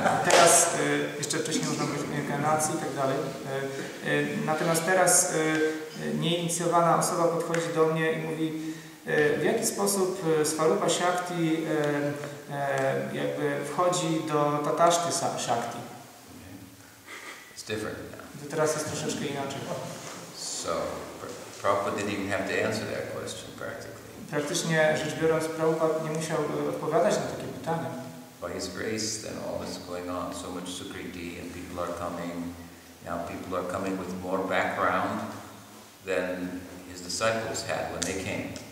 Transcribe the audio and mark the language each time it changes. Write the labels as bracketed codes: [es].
[pl] Teraz jeszcze wcześniej można mówić o reinkarnacji i tak dalej. Natomiast teraz nieinicjowana osoba podchodzi do mnie i mówi, w jaki sposób Swarupa Shakti jakby wchodzi do Tathasty Shakti? [en] It's different now. [pl] To teraz jest troszeczkę inaczej. [en] So, Prabhupada didn't even have to answer that question practically. [pl] Praktycznie rzecz biorąc, Prabhupada nie musiał odpowiadać na takie pytanie. [en] By His grace, then all this is going on. So much Sukriti and people are coming. Now people are coming with more background than His disciples had when they came.